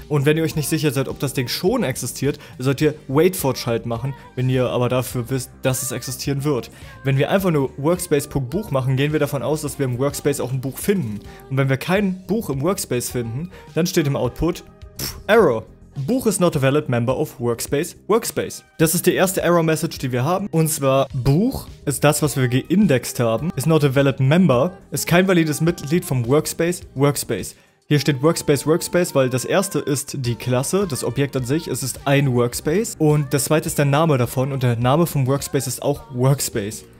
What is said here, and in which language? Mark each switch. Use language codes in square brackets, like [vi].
[de] Und wenn ihr euch nicht sicher seid, ob das Ding schon existiert, sollt ihr wait for schalt machen, wenn ihr aber dafür wisst, dass es existieren wird. Wenn wir einfach nur workspace.buch machen, gehen wir davon aus, dass wir im Workspace auch ein Buch finden. Und wenn wir kein Buch im Workspace finden, dann steht im Output Error. [en] Buch is not a valid member of Workspace Workspace. [de] Das ist die erste Error-Message, die wir haben. Und zwar, Buch ist das, was wir geindexed haben. [en] Is not a valid member. [de] Ist kein valides Mitglied vom Workspace Workspace. Hier steht Workspace Workspace, weil das erste ist die Klasse, das Objekt an sich. Es ist ein Workspace. Und das zweite ist der Name davon. Und der Name vom Workspace ist auch Workspace.